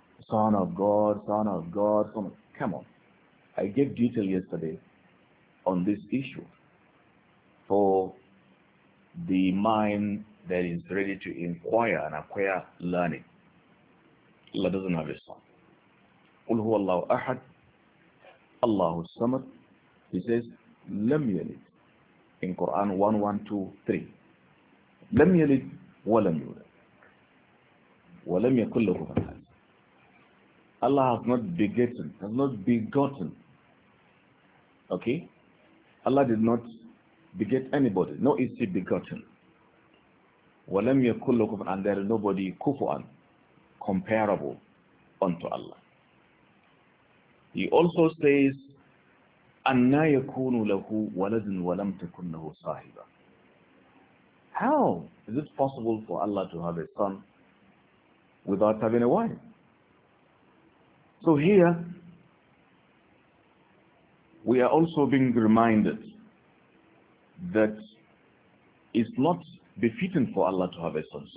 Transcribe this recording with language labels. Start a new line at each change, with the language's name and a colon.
English: Son of God, Son of God, Son of God. Come on. I gave detail yesterday on this issue. For the mind that is ready to inquire and acquire learning, Allah doesn't have a son.
Arabic: قُلْ هُوَ اللَّهُ أَحَدْ Allahu Samad.
English: He says,
Arabic: Lam yalid.
English: In Quran 1123.
Arabic: Lam yalid wa lam yulad. Wa lam yakul lahu kufuwan ahad.
English: Allah has not begotten, has not begotten. Okay? Allah did not beget anybody, nor is He begotten.
Arabic: Wa lam yakul lahu kufuwan ahad,
English: and there is nobody kufuwan, comparable unto Allah. He also says,
Arabic: أَنَّا يَكُونُ لَهُ وَلَدٌ وَلَمْ تَكُنْ لَهُ صَاحِبًا.
English: How is it possible for Allah to have a son without having a wife? So here, we are also being reminded that it's not befitting for Allah to have a son.